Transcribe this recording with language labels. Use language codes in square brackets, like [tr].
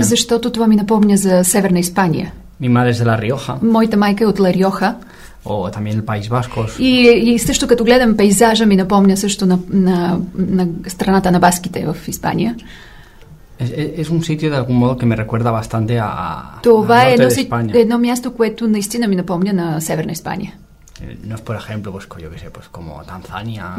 [bg] Защото това ми напомня за Северна Испания. [es] Mi madre es de La Rioja. [bg] Моята майка е от Ла Риоха. [es] O también el País Vasco. [bg] И също като гледам пейзажа ми напомня също на страната на баските в Испания. [es] Es un sitio de algún modo que me recuerda bastante a [bg] Това е едно място, което наистина ми напомня на Северна Испания. [es] No es, por ejemplo, pues, yo que sé, pues, como Tanzania.